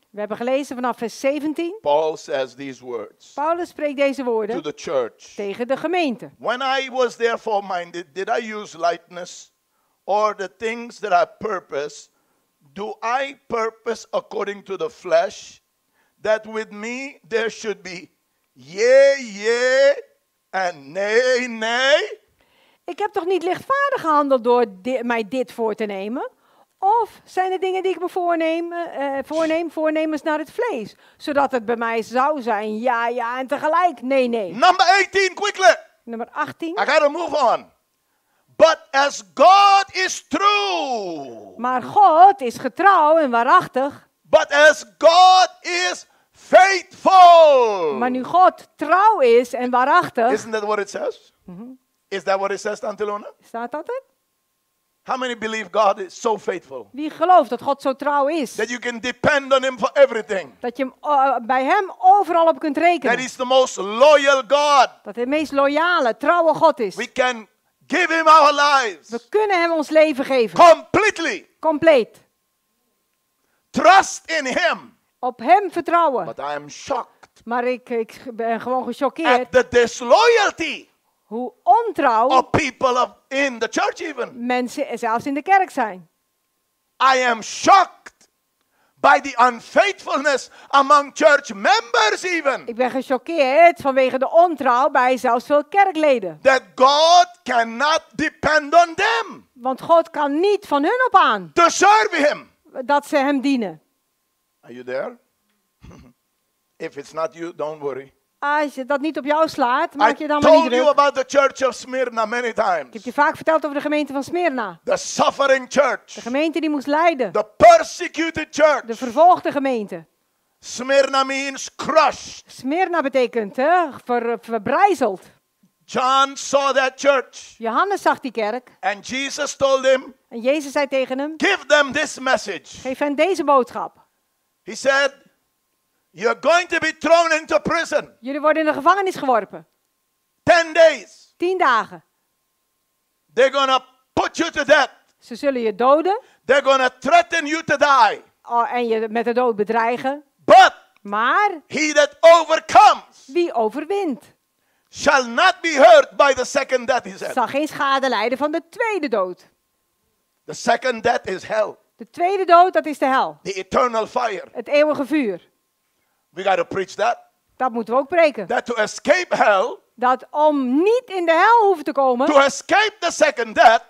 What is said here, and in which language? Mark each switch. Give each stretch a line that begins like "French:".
Dutch: We hebben gelezen vanaf vers 17.
English: Paul says these words.
Dutch: Paulus spreekt deze woorden.
English: To the church.
Dutch: Tegen de gemeente.
English: When I was therefore minded, did I use lightness or the things that I purpose? Do I purpose according to the flesh that with me there should be yea.
Dutch: En nee. Ik heb toch niet lichtvaardig gehandeld door mij dit voor te nemen? Of zijn er dingen die ik me voornemens naar het vlees? Zodat het bij mij zou zijn ja en tegelijk nee.
English: Number 18, quickly.
Dutch: Nummer 18.
English: I gotta move on. But as God is true.
Dutch: Maar God is getrouw en waarachtig.
English: But as God is faithful.
Dutch: Maar nu God trouw is en waarachtig.
English: Isn't that what it says? Mm-hmm. Is that what it says, Tante Luna?
Dutch: Staat dat het?
English: How many believe God is so faithful?
Dutch: Wie gelooft dat God zo trouw is?
English: That you can depend on him for everything.
Dutch: Dat je bij hem overal op kunt rekenen.
English: That he's the most loyal God.
Dutch: Dat hij de meest loyale, trouwe God is.
English: We can give him our lives.
Dutch: We kunnen hem ons leven geven.
English: Completely.
Dutch: Compleet.
English: Trust in him.
Dutch: Op hem vertrouwen.
English: But I am shocked.
Dutch: Maar ik ben gewoon gechoqueerd.
English: At the disloyalty.
Dutch: Hoe ontrouw.
English: Of people of in the church even.
Dutch: Mensen zelfs in de kerk zijn.
English: I am shocked by the unfaithfulness among church members even.
Dutch: Ik ben gechoqueerd vanwege de ontrouw bij zelfs veel kerkleden.
English: That God cannot depend on them.
Dutch: Want God kan niet van hun op aan.
English: To serve him.
Dutch: Dat ze hem dienen.
English: Are you there? If it's not you, don't worry.
Dutch: Als je dat niet op jou slaat, maak
English: I
Dutch: je dan maar niet druk.
English: I told you about the church of Smyrna many times.
Dutch: Ik heb je vaak verteld over de gemeente van Smyrna.
English: The suffering church.
Dutch: De gemeente die moest lijden.
English: The persecuted church.
Dutch: De vervolgde gemeente.
English: Smyrna means crushed.
Dutch: Smyrna betekent verbrijzeld.
English: John saw that church.
Dutch: Johannes zag die kerk.
English: And Jesus told him.
Dutch: En Jezus zei tegen hem.
English: Give them this message.
Dutch: Geef hen deze boodschap.
English: He said, you're going to be thrown into prison.
Dutch: Jullie worden in de gevangenis geworpen.
English: 10 days.
Dutch: 10 dagen.
English: They're gonna put you to death.
Dutch: Ze zullen je doden.
English: They're gonna threaten you to die.
Dutch: Oh, en je met de dood bedreigen.
English: But.
Dutch: Maar.
English: He that overcomes.
Dutch: Wie overwint.
English: Shall not be hurt by the second death, he said.
Dutch: Zal geen schade lijden van de tweede dood.
English: The second death is hell.
Dutch: De tweede dood, dat is de hel.
English: The eternal fire.
Dutch: Het eeuwige vuur.
English: We gotta preach that.
Dutch: Dat moeten we ook preken.
English: That to escape hell.
Dutch: Dat om niet in de hel hoeven te komen.
English: To escape the second death.